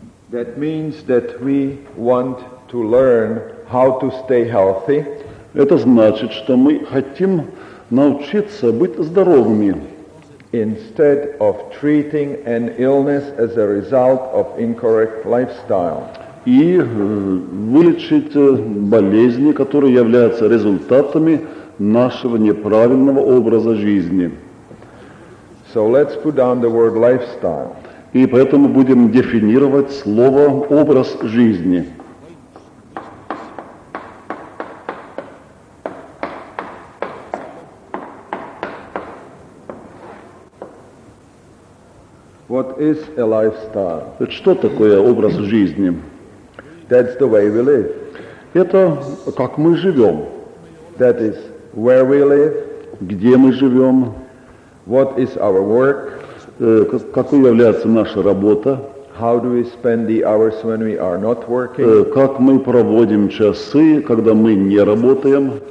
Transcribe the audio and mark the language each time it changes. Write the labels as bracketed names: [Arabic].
[English] That means that we want to learn how to stay healthy. [Russian] Это значит, что мы хотим научиться быть здоровыми. [English] Instead of treating an illness as a result of incorrect lifestyle. [Russian] И вылечить болезни, которые являются результатами нашего неправильного образа жизни. [English] So let's put down the word lifestyle. [Russian] И поэтому будем дефинировать слово «образ жизни». [English] What is a lifestyle? [Russian] Что такое образ жизни? [English] That's the way we live. [Russian] Это как мы живем. [English] That is where we live. [Russian] Где мы живем. [English] What is our work? [Russian] Какой является наша работа. [English] How do we spend the hours when we are not working? [Russian] Как мы проводим часы, когда мы не работаем.